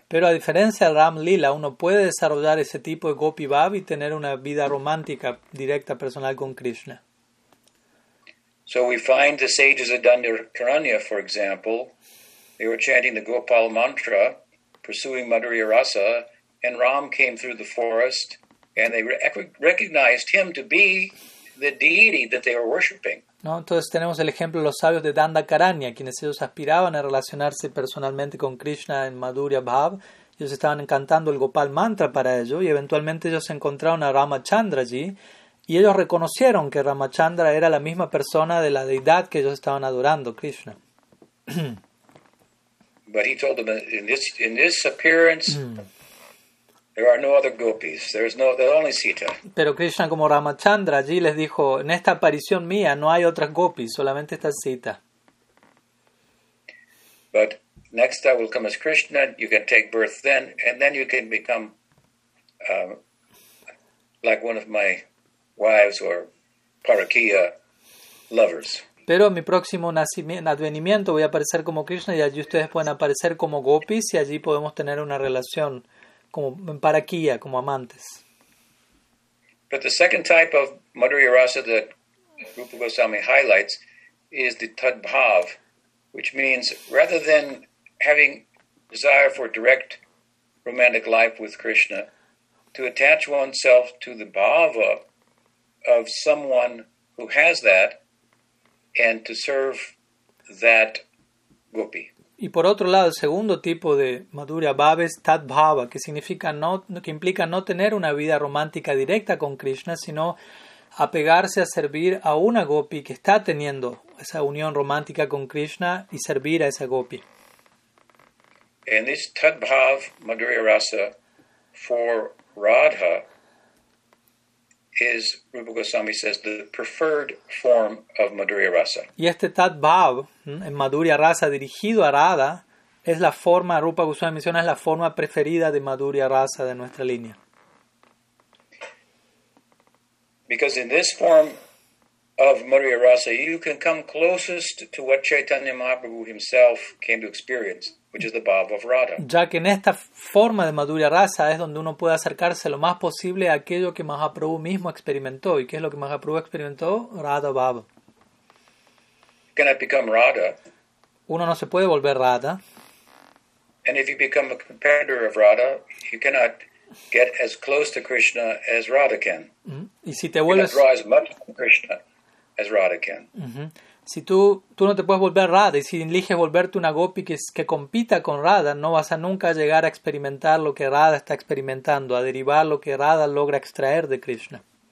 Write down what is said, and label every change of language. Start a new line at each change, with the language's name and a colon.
Spanish: Pero a diferencia de Ram Lila, uno puede desarrollar ese tipo de gopi bhav y tener una vida romántica directa personal con Krishna.
English: So we find the sages of Dandakaranya, for example, they were chanting the Gopal mantra, pursuing Madhurya Rasa, and Ram came through the forest, and they recognized him to be the deity that they were worshipping.
Spanish: No, entonces tenemos el ejemplo de los sabios de Dandakaranya, quienes ellos aspiraban a relacionarse personalmente con Krishna en Madhurya Bhav. Ellos estaban cantando el Gopal mantra para ello, y eventualmente ellos encontraron a Ramachandra allí, y ellos reconocieron que Ramachandra era la misma persona de la deidad que ellos estaban adorando, Krishna.
English: But he told them in this appearance there are no other gopis. There is no, there's only Sita.
Spanish: Pero Krishna, como Ramachandra, allí les dijo, en esta aparición mía no hay otras gopis, solamente esta Sita.
English: But next I will come as Krishna, you can take birth then, and then you can become like one of my wives or parakia lovers.
Spanish: Pero en mi próximo advenimiento voy a aparecer como Krishna y allí ustedes pueden aparecer como gopis y allí podemos tener una relación como en parakia, como amantes.
English: But the second type of Madhurya Rasa that Rupa Goswami highlights is the Tadbhav, which means rather than having desire for direct romantic life with Krishna, to attach oneself to the bhava of someone who has that, and to serve that gopi.
Spanish: Y por otro lado, el segundo tipo de madhurya bhava es tat bhava, que significa no, que implica no tener una vida romántica directa con Krishna, sino apegarse a servir a una gopi que está teniendo esa unión romántica con Krishna y servir a esa gopi.
English: And this tat bhava madhurya rasa for Radha is, Rupa Goswami says, the preferred form of Madhurya Rasa.
Spanish: Y este Tat Bhav, en Madhurya Rasa, dirigido a Radha, es la forma, Rupa Goswami menciona, es la forma preferida de Madhurya Rasa de nuestra línea.
English: Because in this form of Madhurya Rasa, you can come closest to what Chaitanya Mahaprabhu himself came to experience, which is the bhava of Radha.
Spanish: Ya que en esta forma de Madhurya Rasa es donde uno puede acercarse lo más posible a aquello que Mahaprabhu mismo experimentó. ¿Y qué es lo que Mahaprabhu experimentó? Radha Bhava.
English: You cannot become Radha.
Spanish: Uno no se puede volver Radha.
English: And if you become a competitor of Radha, you cannot get as close to Krishna as Radha can.
Spanish: Y si te vuelves...
English: You cannot draw as much from Krishna as Radha can.
Spanish: Si tú no te puedes volver Radha, y si eliges volverte una gopi que compita con Radha, no vas a nunca llegar a experimentar lo que Radha está experimentando, a derivar lo que Radha logra extraer de Krishna.